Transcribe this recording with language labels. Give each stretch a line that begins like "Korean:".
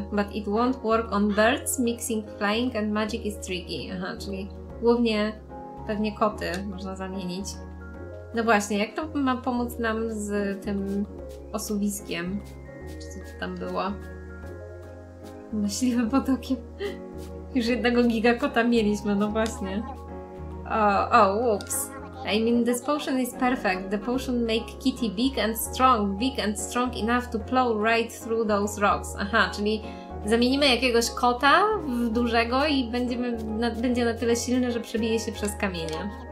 English: But it won't work on birds, mixing flying and magic is tricky.
Polish: Aha, czyli głównie pewnie koty można zamienić. No właśnie, jak to ma pomóc nam z tym osuwiskiem? Czy co to tam było? Myśliwym potokiem. Już jednego giga kota mieliśmy, no właśnie. Oops.
English: I mean, this potion is perfect. The potion make kitty big and strong enough to plow right through those rocks.
Polish: Aha, czyli zamienimy jakiegoś kota w dużego i będzie na tyle silny, że przebije się przez kamienie.